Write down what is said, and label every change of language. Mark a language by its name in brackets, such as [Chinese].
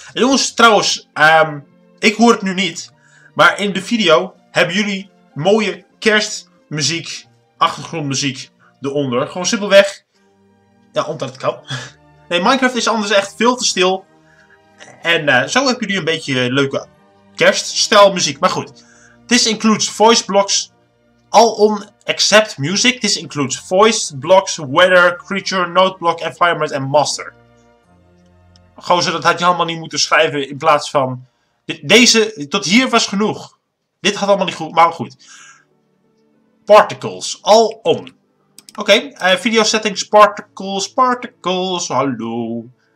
[Dutch] En jongens, trouwens, ik hoor het nu niet. Maar in de video hebben jullie mooie kerstmuziek, achtergrondmuziek eronder. Gewoon simpelweg. Ja, omdat het kan. Nee, Minecraft is anders echt veel te stil. En zo hebben jullie een beetje leuke kerststijlmuziek. Maar goed. [English] This includes voice blocks. All on except music. This includes voice, blocks, weather, creature, noteblock, environment en master. [Dutch] Gozer, dat had je allemaal niet moeten schrijven in plaats van... Deze, tot hier was genoeg. Dit had allemaal niet goed, maar goed. [English] Particles, all on. Oké, okay, video settings, particles, hallo.